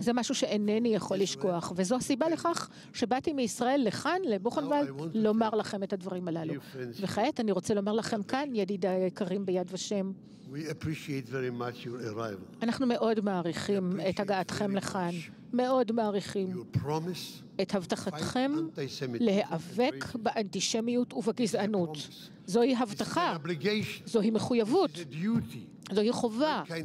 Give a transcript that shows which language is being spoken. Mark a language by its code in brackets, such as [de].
[he] זה משהו שאינני יכול לשכוח, וזו הסיבה לכך שבאתי מישראל לכאן, לבוכנוולד, לומר לכם את הדברים הללו. וכעת אני רוצה לומר לכם כאן, ידידי היקרים ביד ושם, [en] We appreciate very much your arrival. [he] אנחנו מאוד מעריכים את הגעתכם לכאן. מאוד מעריכים את הבטחתכם להיאבק באנטישמיות ובגזענות. זוהי הבטחה. זוהי מחויבות. זוהי חובה.